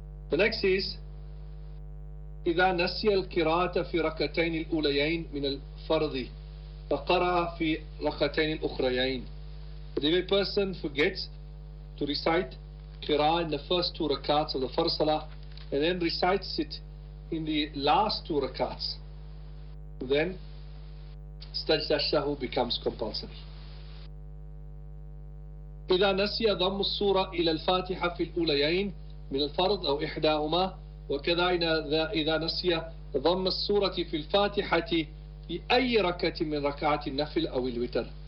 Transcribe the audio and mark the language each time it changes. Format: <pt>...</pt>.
<en>The next is,</en> <ar>إذا نسي القراءة في ركعتين الأوليين من الفرض فقرأ في ركعتين الأخريين.</ar> <en>If a person forgets to recite qira in the first two rakats of the first salah and then recites it in the last two rakats, then Sajdah Sahwa becomes compulsory.</en> <ar>إذا نسي ضم السورة إلى الفاتحة في الأوليين من الفرض أو إحداهما وكذا إذا نسي ضم السورة في الفاتحة في أي ركعة من ركعات النفل أو الوتر.</ar>